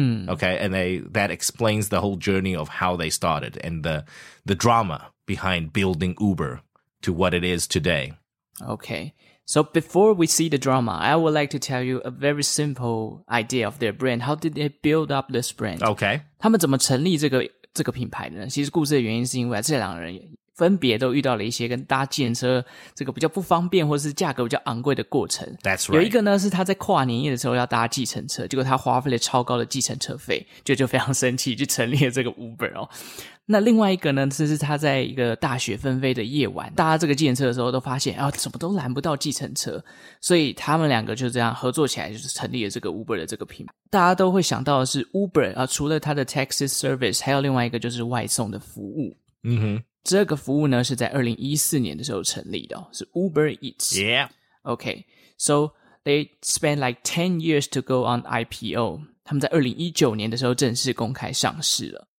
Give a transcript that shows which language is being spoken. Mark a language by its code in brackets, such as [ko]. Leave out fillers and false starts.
[en] Okay, and that explains the whole journey of how they started and the drama behind building Uber to what it is today. Okay. So before we see the drama, I would like to tell you a very simple idea of their brand. How did they build up this brand? Okay. [zh] 他们怎么成立这个品牌呢？其实故事的原因是因为这两个人分别都遇到了一些跟搭计程车这个比较不方便或是价格比较昂贵的过程。 [en] That's right. [zh] 有一个呢是他在跨年夜的时候要搭计程车，结果他花费了超高的计程车费，就非常生气，就成立了这个 Uber 哦。那另外一个呢，这是他在一个大雪纷飞的夜晚搭这个计程车的时候，都发现啊，怎么都拦不到计程车，所以他们两个就这样合作起来，就是成立了这个 Uber 的这个品牌。大家都会想到的是 Uber 啊，除了他的 taxi service， 还有另外一个就是外送的服务。嗯哼。这个服务呢是在2014年的时候成立的，是 Uber Eats. [en] Yeah. Okay. So they spent like 10 years to go on IPO. [zh] 他们在2019年的时候正式公开上市了。